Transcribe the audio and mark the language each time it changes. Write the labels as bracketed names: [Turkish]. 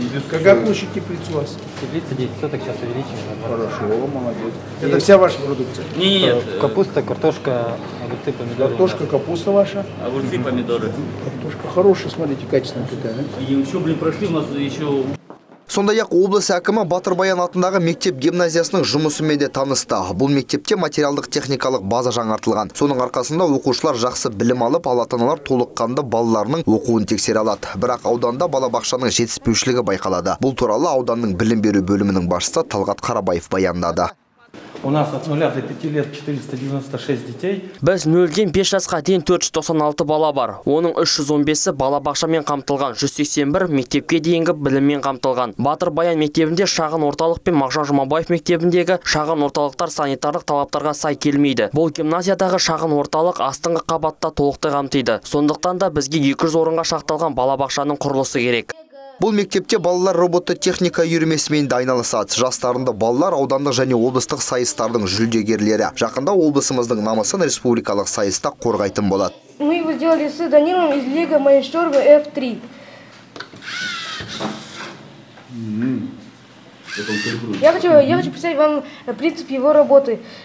[Russian] Какая площадь теплицы у вас? Теплица 10 соток, сейчас увеличим. Хорошо, молодец. Это вся ваша продукция? Нет. Капуста, картошка, огурцы, помидоры. Картошка, капуста ваша? Огурцы, помидоры. Картошка хорошая, смотрите, качественная какая. И еще, блин, прошли, у нас еще... [Kazakh] Сондай-ақ облыс әкімі Батырбаян атындағы мектеп гимназиясының жұмысымен де танысты. Бұл мектепте материалдық-техникалық база жаңартылған. Соның арқасында оқушылар жақсы білім алып, ата-аналар толыққанды балаларының оқуын тексере алады. Бірақ ауданда балабақшаның жетіспеушілігі байқалады. Бұл туралы ауданның білім беру бөлімінің басшысы Талғат Қарабаев баяндады. [Russian] У нас от 0 до 5 лет 496 детей. [Kazakh] Біз 0-ден 5 жасқа дейін 496 бала бар. Оның 315-і бала бақшамен қамтылған, 181 мектепке дейінгі біліммен қамтылған. Батырбаян мектебінде шағын орталық пен Мағжан Жұмабаев мектебіндегі шағын орталықтар санитарлық талаптарға сай келмейді. Бұл гимназиядағы шағын орталық астыңғы қабатта толықтай қамтиды. Сондықтан да бізге 200 орынға шақталған бала бақшаның құрылысы керек. Бұл мектепте балалар робототехника үйірмесімен дайналысады. Жастарында балалар ауданда және облыстық сайыстардың жүлдегерлері. Жақында облысымыздың намысын республикалық сайыста қорғайтын болады. [Russian] Мы его сделали с Данилом из Лего Майнштурма F3. Я хочу представить вам принцип его работы.